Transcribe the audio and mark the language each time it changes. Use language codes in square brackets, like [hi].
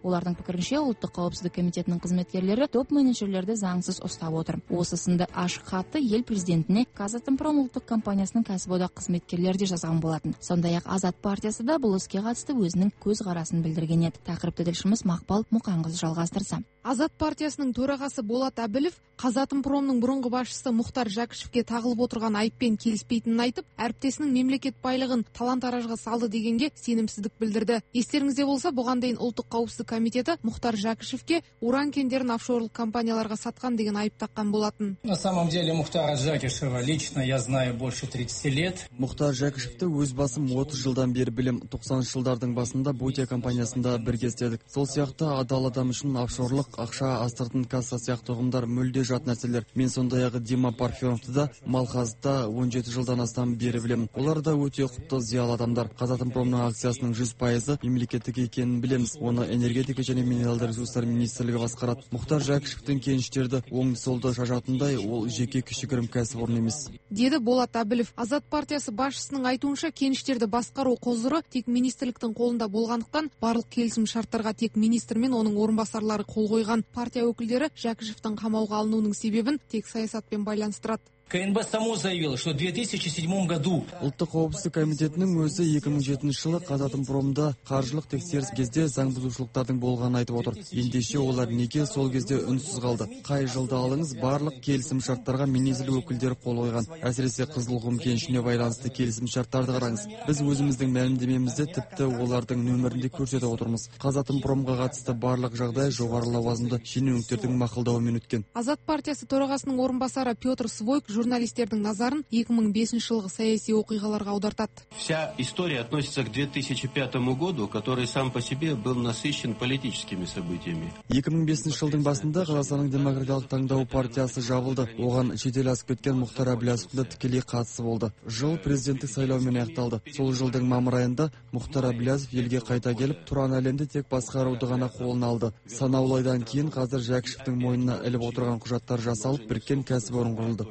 [ky] Алардын пикиринше, Улуттук коопсуздук комитетинин кызматкерлери топ менеджерлерди заңсыз устап отур. Ошол сынды ашык хатты эл президентине Казатомпром улуттук компаниясынын кәсіп одак кызматкерлери жазган болатын. Сондай ак Азат партиясы да бул ишке катышты өзүнүн көз карасын билдирген эт. Такырыпты тилшибиз Макпал Муканкызы жалгастырса. Азат партиясынын төрагасы Болат Абил [kk] Әділов Қазатомпромның бұрынғы басшысы Мұхтар Жәкішевке тағылып отырған айыппен келіспейтінін айтып, әріптесінің мемлекет байлығын талан-таражға салды дегенге сенімсіздік білдірді. Естеріңізде болса, бұған дейін Ұлттық қауіпсіздік комитеті Мұхтар Жәкішевке уран кендерін офшорлық компанияларға сатқан деген айып таққан болатын. [ru] На самом деле Мұхтар Жәкішева лично я знаю больше 30 лет. [kk] Мұхтар Жәкішевті өз басым 30 жылдан бері білем. 90-шы жылдардың басында Бутия компаниясында бірге істедік. Сол сияқты адал адам үшін офшорлық ақша астыртын касса сияқты ұғымдар де жат нәрселер. Мен сондай-ақ Дима Парфеновты да Малхазда 17 жылдан астам бері білемін. Олар да өте құтты зиялы адамдар. Қазатомпромның акциясының 100% мемлекеттік екенін білеміз. Оны энергетика және минералдар ресурстар министрлігі басқарады. Мұхтар Жәкішевтің кеніштерді оңды-солды шашатындай ол жеке кішігірім кәсіпорын емес. Деді Болат Әбілов. Азат партиясы басшысының айтуынша, кеніштерді басқару құзыры тек министрліктің қолында болғандықтан барлық келісім шарттарға тек министр мен оның орынбасарлары қол қойған. Партия өкілдері Жәкішевтің қамауы алынуының себебін тек саясатпен байланыстырады. [ru] КНБ само заявило, что в 2007 году [kk] Ұлттық қауіпсіздік комитетінің өзі 2007 жылы Қазатомпромда қаржылық тексеріс кезде заң бұзушылықтардың болғанын айтып отыр. Ендеше олар неге сол кезде үнсіз қалды? Қай жылды алыңыз, барлық келісім шарттарға министрлік өкілдері қол қойған. Әсіресе Қызылқұм кенішіне байланысты келісім шарттарды қараңыз. Біз өзіміздің мәлімдемемізде тіпті олардың нөмірінде көрсетіп отырмыз. Қазатомпромға қатысты барлық жағдай жоғары лауазымды шенеуніктердің мақұлдауымен өткен. Азат партиясы төрағасының орынбасары Петр Свой журналистердің назарын 2005 жылғы саяси оқиғаларға аудартады. [ru] Вся история относится к 2005 году, который сам по себе был насыщен политическими событиями. [kk] 2005 жылдың басында Қазақстанның демократиялық таңдау партиясы жабылды. Оған шетел асып кеткен Мұхтар Әбілов та тікелей қатысы болды. Жыл президенттік сайлаумен аяқталды. Сол жылдың мамыр айында Мұхтар Әбілов елге қайта келіп, Тұран әлемді тек басқаруды ғана қолына алды. Санаулы айдан кейін қазір Жәкішевтің мойнына іліп отырған құжаттар жасалып, біріккен кәсіпорын құрылды.